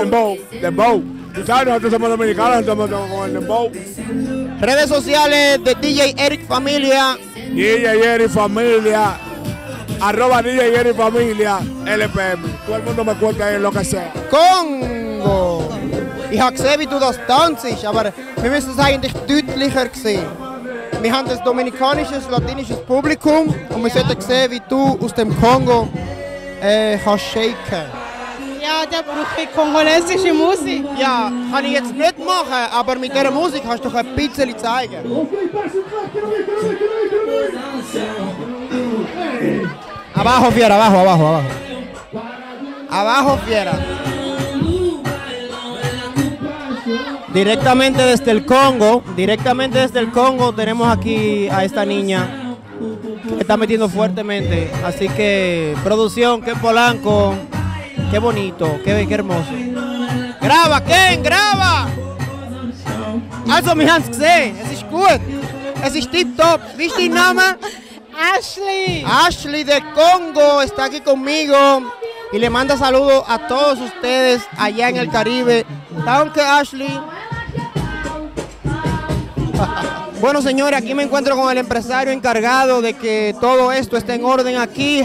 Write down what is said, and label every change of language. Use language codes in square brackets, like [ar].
[es] Dembow, dembow. Tú sabes, nosotros somos dominicanos, estamos con el dembow. Redes sociales de DJ Eric Familia. DJ Eric Familia. Arroba DJ Jerry Familia LPM. Todo el mundo me cuenta ahí en lo que sea. Congo. [de] Ich habe gesehen, wie du das tanzt. Aber wir müssen es eigentlich deutlicher sehen. Wir haben das dominikanische, latinische Publikum. Und wir sollten sehen, wie du aus dem Kongo kannst shaken. Ja, da brauche ich kongolesische Musik. Ja, kann ich jetzt nicht machen. Aber mit dieser Musik kannst du doch ein bisschen zeigen. [es] Abajo, fiera, abajo, abajo, abajo. Abajo, fiera. Directamente desde el Congo, tenemos aquí a esta niña que está metiendo fuertemente. Así que, producción, Ken Polanco, qué bonito, qué hermoso. ¡Graba, Ken, graba! [de] Also, mi hands gesehen, es ist gut. Es ist tip top. [es] ¿Viste el nombre? Ashley. Ashley de Congo está aquí conmigo y le manda saludos a todos ustedes allá en el Caribe Tanque Ashley. Bueno, señores, aquí me encuentro con el empresario encargado de que todo esto esté en orden aquí.